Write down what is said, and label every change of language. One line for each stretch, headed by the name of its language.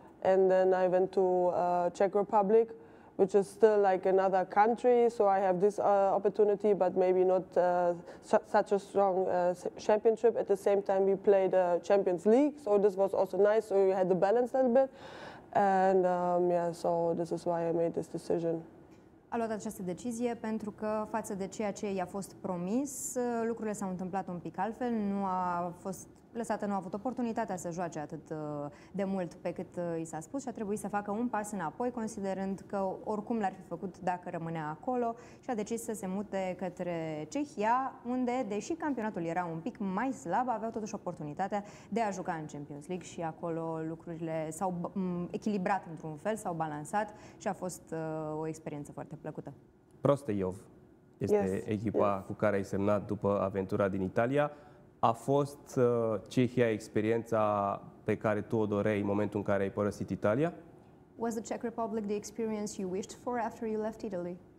English: And then I went to Czech Republic, which is still like another country. So I have this opportunity, but maybe not such a strong championship. At the same time, we played the Champions League. So this was also nice. So we had the balance a little bit. And yeah, so this is why I made this decision.
Romanian: A luat această decizie pentru că față de ceea ce i-a fost promis, lucrurile s-au întâmplat un pic altfel, nu a fost lăsată, nu a avut oportunitatea să joace atât de mult pe cât i s-a spus și a trebuit să facă un pas înapoi, considerând că oricum l-ar fi făcut dacă rămânea acolo și a decis să se mute către Cehia, unde, deși campionatul era un pic mai slab, avea totuși oportunitatea de a juca în Champions League și acolo lucrurile s-au echilibrat într-un fel, s-au balansat și a fost o experiență foarte plăcută. Prosteiov este echipa cu care ai semnat după aventura din Italia. A fost Cehia experiența pe care tu o doreai în momentul în care ai părăsit Italia?
English: Was the Czech Republic the experience you wished for after you left Italy?